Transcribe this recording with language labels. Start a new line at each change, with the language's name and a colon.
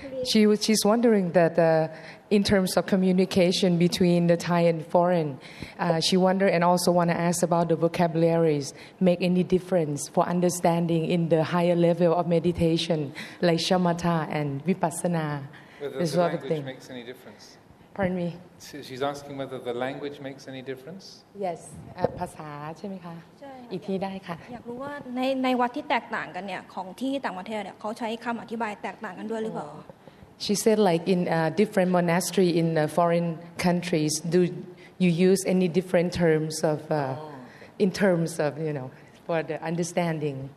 English: She's wondering that in terms of communication between the Thai and foreign, she wonder and also want to ask about the vocabularies make any difference for understanding in the higher level of meditation like shamatha and vipassana. Whether the language makes any difference. Pardon me. She's asking whether the language makes any difference. Yes.
Thai: ภาษาใช่ไหมคะอีกทีได้ค่ะ อยากรู้ว่าในวัดที่แตกต่างกันเนี่ยของที่ต่างประเทศเนี่ยเขาใช้คำอธิบายแตกต่างกันด้วยหรือเปล่า
English: She said like in different monastery in foreign countries do you use any different terms of in terms of you know for the understanding